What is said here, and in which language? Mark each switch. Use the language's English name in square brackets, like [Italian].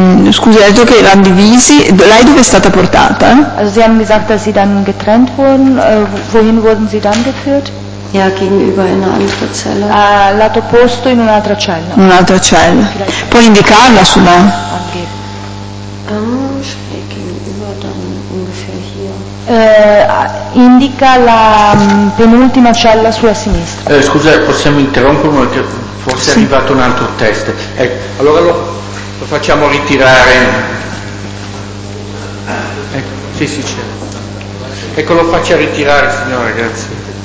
[Italian] Scusi, ha detto che erano divisi, lei dove è stata portata? [German] Also sie haben gesagt, dass sie dann getrennt wurden, wohin wurden sie dann geführt? Ja, gegenüber [Italian] in un'altra cella. A lato opposto in un'altra cella. Un'altra cella. Puoi indicarla su me? Anche. [German] Gegenüber dann ungefähr hier. [Italian] Indica la penultima cella sulla sinistra. Scusa, possiamo interrompere perché forse sì. È arrivato un altro test. Ecco, allora lo facciamo ritirare. Ecco, sì, c'è. Ecco, lo faccia ritirare, signora, grazie.